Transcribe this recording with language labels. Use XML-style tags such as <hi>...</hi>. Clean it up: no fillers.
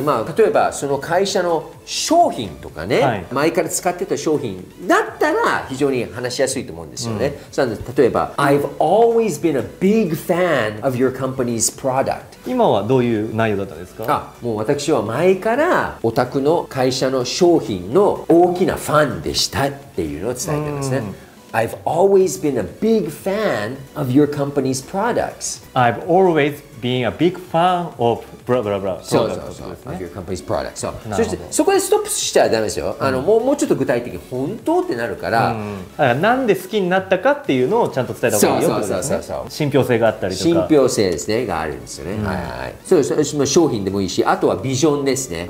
<ja>まあ、例えばその会社の商品とかね、はい、前から使ってた商品だったら非常に話しやすいと思うんですよね、うん、例えば、うん、</ja> <en>I've always been a big fan of your company's product。</en> <ja>今はどういう内容だったんですか。あ、もう私は前からお宅の会社の商品の大きなファンでしたっていうのを伝えてますね。</ja> <en>I've always been a big fan of your company's products. I've always been a big fan of blah blah blah.</en> <ja>そうそうそう、ね、</ja> <en>of your company's products.</en> <ja>So, そしてそこでストップしちゃダメですよ。うん、もうちょっと具体的に本当ってなるから、うん、なんで好きになったかっていうのをちゃんと伝えた方がいいよ。そうそうそうそう、ね、信憑性があったりとか。信憑性ですね、があるんですよね。うん、はいはい。そうそう、その商品でもいいし、あとはビジョンですね。</ja>